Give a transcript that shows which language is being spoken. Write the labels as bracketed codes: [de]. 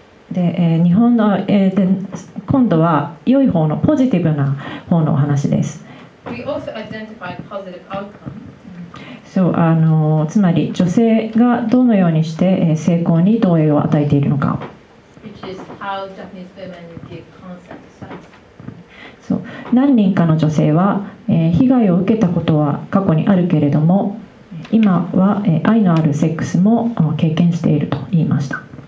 [ja] で、日本の、で今度は良い方のポジティブな方のお話です。 [en] We also identified positive outcomes. [ja] そう、つまり女性がどのようにして成功に同意を与えているのか、 [en] Which is how Japanese women give consent to sex. [ja] そう、何人かの女性は、被害を受けたことは過去にあるけれども今は、愛のあるセックスも経験していると言いました。